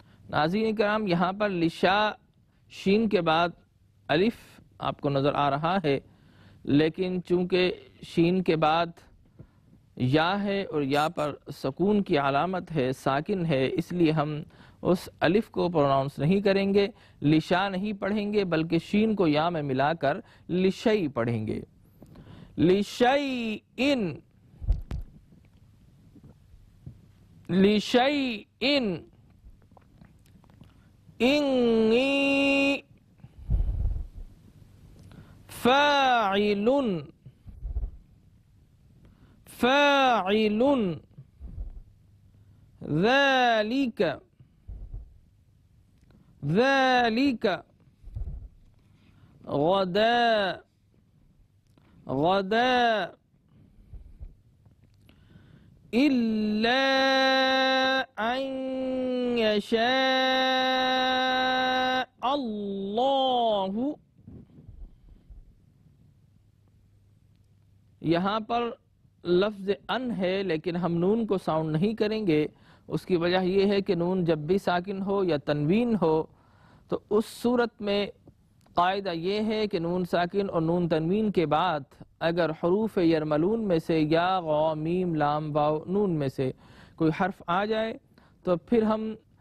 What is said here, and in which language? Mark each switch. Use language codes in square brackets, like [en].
[ur] ناظرین کرام, یہاں پر لشا شین کے بعد الف آپ کو نظر آ رہا ہے, لیکن چونکہ شین کے بعد یا ہے اور یا پر سکون کی علامت ہے, ساکن ہے, اس لیے ہم اس الف کو پروناؤنس نہیں کریں گے, لشا نہیں پڑھیں گے, بلکہ شین کو یا میں ملا کر لشئی پڑھیں گے. [ar] لشئین لشئین انی فاعل فاعل ذلك ذلك غدا غدا إلا أن يشاء الله. [ur] یہاں پر لفظ ان ہے, لیکن ہم نون کو ساؤنڈ نہیں کریں گے. اس کی وجہ یہ ہے کہ نون جب بھی ساکن ہو یا تنوین ہو تو اس صورت میں قاعدہ یہ ہے کہ نون ساکن اور نون تنوین کے بعد اگر حروف یرملون میں سے یا غا میم لام واؤ نون میں سے کوئی حرف آ جائے تو پھر ہم